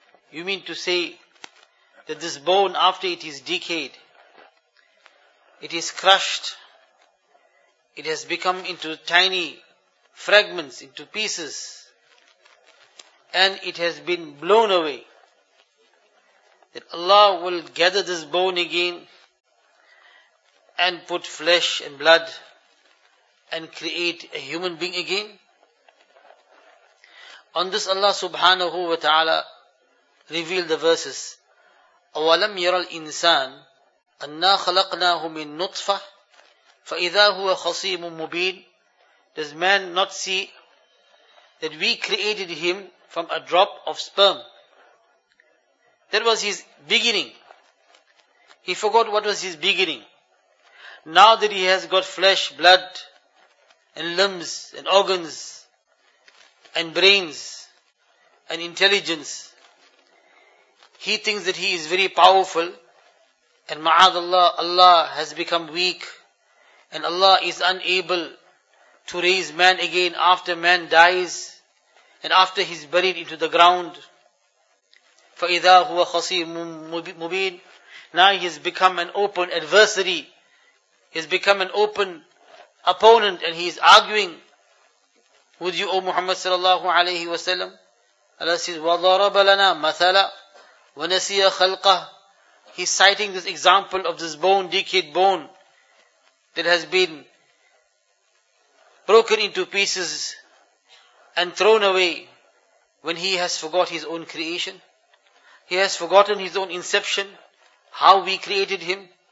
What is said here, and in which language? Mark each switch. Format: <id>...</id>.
<en>You mean to say that this bone, after it is decayed, it is crushed, it has become into tiny fragments, into pieces, and it has been blown away, that Allah will gather this bone again and put flesh and blood and create a human being again? On this Allah subhanahu wa ta'ala revealed the verses,</en> <ar>أَوَلَمْ يَرَى الْإِنسَانَ أَنَّا خَلَقْنَاهُ مِن نُطْفَةٍ فَإِذَا هُوَ خَصِيمٌ مُبِينٌ.</ar> <en>Does man not see that we created him from a drop of sperm? That was his beginning. He forgot what was his beginning. Now that he has got flesh, blood, and limbs, and organs, and brains, and intelligence, he thinks that he is very powerful, and ma'adallah, Allah has become weak, and Allah is unable to raise man again after man dies, and after he's buried into the ground.</en> <ar>فَإِذَا هُوَ خَصِيمٌ مُبِينٌ.</ar> <en>Now he has become an open adversary. He has become an open opponent, and he is arguing with you, O Muhammad sallallahu alayhi wa sallam. Allah says,</en> <ar>وَضَرَبَ لَنَا مَثَلًا وَنَسِيَ خَلْقَهُ.</ar> <en>He's citing this example of this bone, decayed bone, that has been broken into pieces and thrown away, when he has forgot his own creation. He has forgotten his own inception, how we created him.</en>